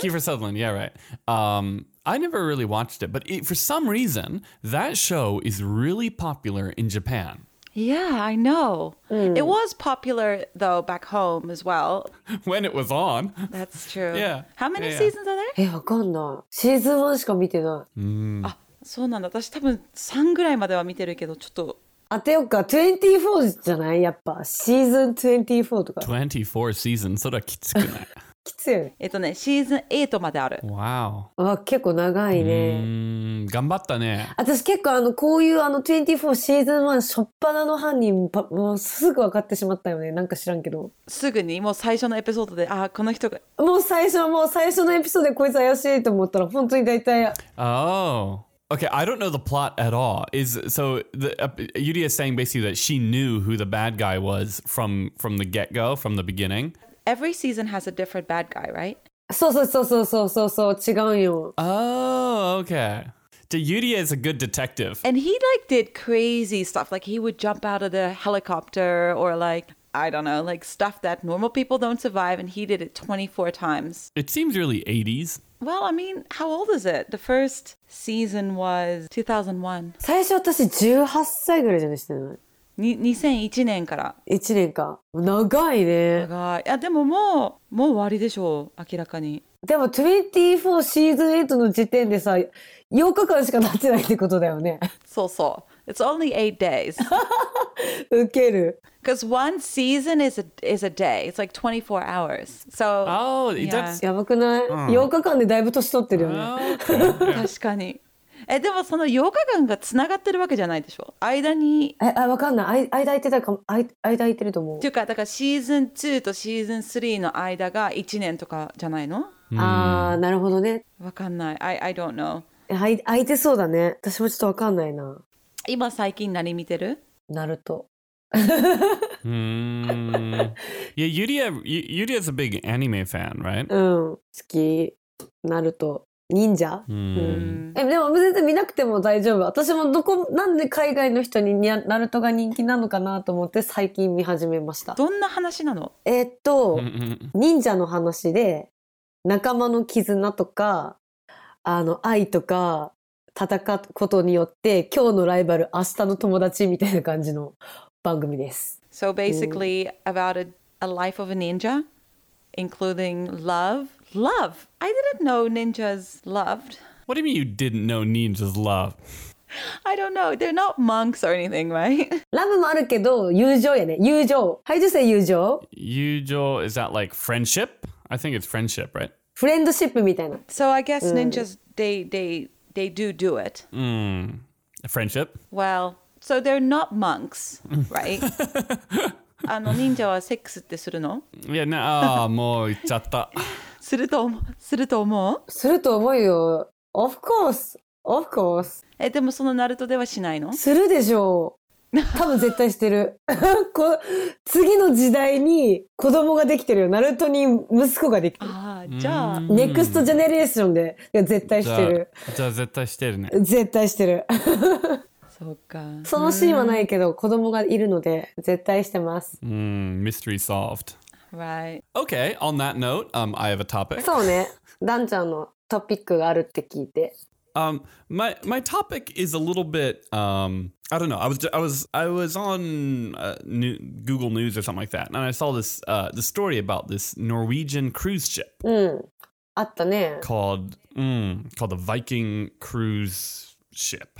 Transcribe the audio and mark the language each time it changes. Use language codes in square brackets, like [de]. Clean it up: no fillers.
[en] Kiefer Sutherland, yeah, right. I never really watched it, but it, for some reason, that show is really popular in Japan. Yeah, I know. Mm. It was popular, though, back home as well. When it was on. That's true. Yeah. How many seasons are there? [ja] え、わかんない。シーズン1しか見てない。あ、そうなんだ。私多分3ぐらいまでは見てるけど、ちょっと。当てよっか。24じゃない？やっぱ。シーズン24とか。 [en] 24 season? [ja] それはきつくない。きつい。ね、シーズン8まである。わお。あ、結構長いね。頑張ったね。私結構こういう24シーズン1初っ端の犯人もうすぐ分かってしまったよね。なんか知らんけど、すぐにもう最初のエピソードで、あ、この人が、もう最初のエピソードでこいつ怪しいと思ったら本当に大体。 [en] Oh, okay. I don't know the plot at all. Is so the Yuria is saying basically that she knew who the bad guy was from the get go, from the beginning. Every season has a different bad guy, right? [ja] そう違うよ。 [en] Oh, okay. Yuria is a good detective. And he, like, did crazy stuff. Like, he would jump out of the helicopter or, like, I don't know, like stuff that normal people don't survive, and he did it 24 times. It seems really 80s. Well, I mean, how old is it? The first season was [ja] 2001. 最初私18歳ぐらいじゃないしてない。 2001年から。 1年か。長いね。長い。いや、でももう終わりでしょう、明らかに。でも24シーズン8の時点でさ、4日間しか経ってないってことだよね。そうそう。 [en] It's only 8 days. [ja] ウケる。 [en] Because one season is a day. It's like 24 hours. So, oh, yeah. That's... [ja] やばくない、4日間でだいぶ年取ってるよね。 Okay. 確かに。え、でもその8日間がつながってるわけじゃないでしょ、間に。え、あ、わかんない、間行ってたかも、間行ってると思う。っていうか、だからシーズン2とシーズン3の間が1年とかじゃないの、あー、なるほどね。わかんない、 [en] I don't know。 [ja] 空いてそうだね、私もちょっとわかんないな。今最近何見てる？ナルト。 [en] Yeah, Yuria's a big anime fan, right? [ja] うん、好き、ナルト、忍者。うん、でも全然見なくても大丈夫。私もどこ、なんで海外の人にナルトが人気なのかなと思って最近見始めました。どんな話なの？忍者の話で、仲間の絆とか、あの愛とか、戦うことによって今日のライバル、明日の友達みたいな感じの番組です。 [en] So basically、about a life of a ninja, including love. Love. I didn't know ninjas loved. What do you mean you didn't know ninjas love? I don't know. They're not monks or anything, right? [ja] Love もあるけど、友情やね。友情。 [en] How do you say 友情? 友情, is that like friendship? I think it's friendship, right? [ja] Friendship みたいな。 [en] So I guess ninjas, they do it. Mm. Friendship? Well, so they're not monks, right? [ja] あの、忍者はセックスってするの? [en] Yeah, no, oh, [ja] もう言っちゃった。すると思う？すると思うよ。 [en] Of course! Of course! [ja] え、でもそのナルトではしないの？するでしょう。多分絶対してる。次の時代に子供ができてるよ。ナルトに息子ができてる。ああ、じゃあ。ネクストジェネレーションで絶対してる。じゃあ絶対してるね。絶対してる。そうか。そのシーンはないけど、子供がいるので絶対してます。 [en] Mystery solved. Right. Okay, on that note, I have a topic. [ja] そうね。ダンちゃんのトピックがあるって聞いて。 [en] My topic is a little bit, I don't know. I was on Google News or something like that, and I saw this, the story about this Norwegian cruise ship. [ja] うん。あったね。 [en] Called the Viking Cruise Ship.